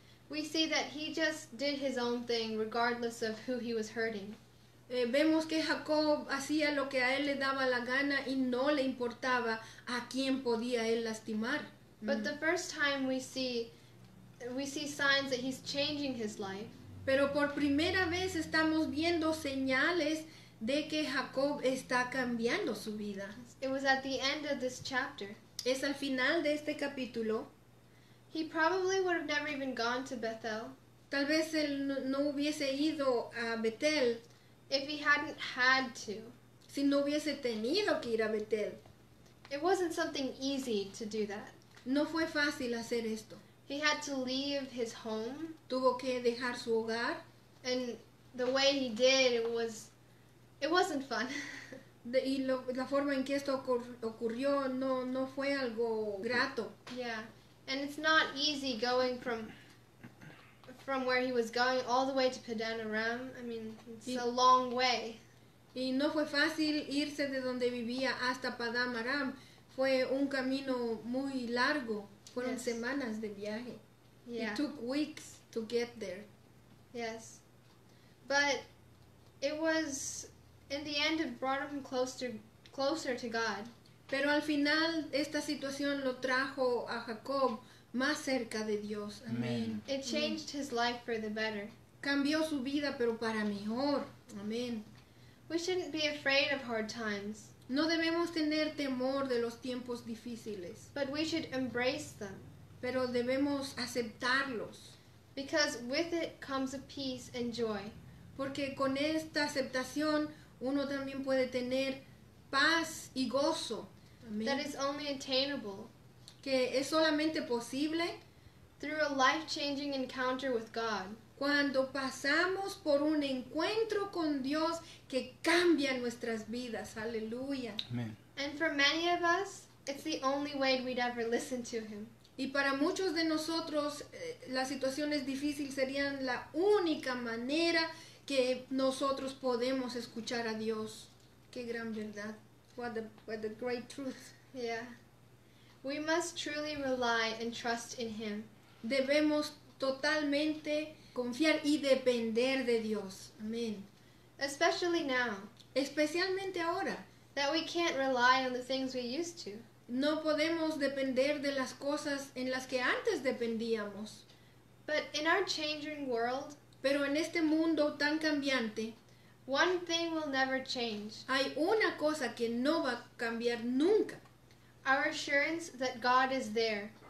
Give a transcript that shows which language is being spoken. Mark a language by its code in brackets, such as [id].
[en] we see that he just did his own thing regardless of who he was hurting. [es] Vemos que Jacob hacía lo que a él le daba la gana y no le importaba a quién podía él lastimar. [en] But the first time we see signs that he's changing his life. [es] Pero por primera vez estamos viendo señales de que Jacob está cambiando su vida. [en] It was at the end of this chapter. [es] Es al final de este capítulo. [en] He probably would have never even gone to Bethel. [es] Tal vez él no hubiese ido a Betel. [en] If he hadn't had to. [es] Si no hubiese tenido que ir a Betel. [en] It wasn't something easy to do that. [es] No fue fácil hacer esto. [en] He had to leave his home. [es] Tuvo que dejar su hogar. [en] And the way he did, it wasn't fun. [es] Y la forma en que esto ocurrió no fue algo grato. [en] Yeah, and it's not easy going from where he was going all the way to Paddan Aram. I mean, it's a long way. [es] Y no fue fácil irse de donde vivía hasta Paddan Aram. Fue un camino muy largo. Fueron yes. Semanas de viaje. [en] Yeah. It took weeks to get there. Yes. But it was, in the end, it brought him closer to God. [es] Pero al final, esta situación lo trajo a Jacob más cerca de Dios. Amén. [en] It changed his life for the better. [es] Cambió su vida, pero para mejor. Amén. [en] We shouldn't be afraid of hard times. [es] No debemos tener temor de los tiempos difíciles. [en] But we should embrace them. [es] Pero debemos aceptarlos. [en] Because with it comes a peace and joy. [es] Porque con esta aceptación uno también puede tener paz y gozo. [en] Amen. That is only attainable. [es] Que es solamente posible. [en] Through a life-changing encounter with God. [es] Cuando pasamos por un encuentro con Dios que cambia nuestras vidas. Aleluya. [en] Amen. And for many of us, it's the only way we'd ever listen to Him. [es] Y para muchos de nosotros, las situaciones difíciles serían la única manera que nosotros podemos escuchar a Dios. Qué gran verdad. [en] What a great truth. Yeah. We must truly rely and trust in Him. [es] Debemos totalmente confiar y depender de Dios. Amén. [en] Especially now. [es] Especialmente ahora. [en] That we can't rely on the things we used to. [es] No podemos depender de las cosas en las que antes dependíamos. [en] But in our changing world, [es] pero en este mundo tan cambiante, [en] one thing will never change. [es] Hay una cosa que no va a cambiar nunca. [en] Our assurance that God is there.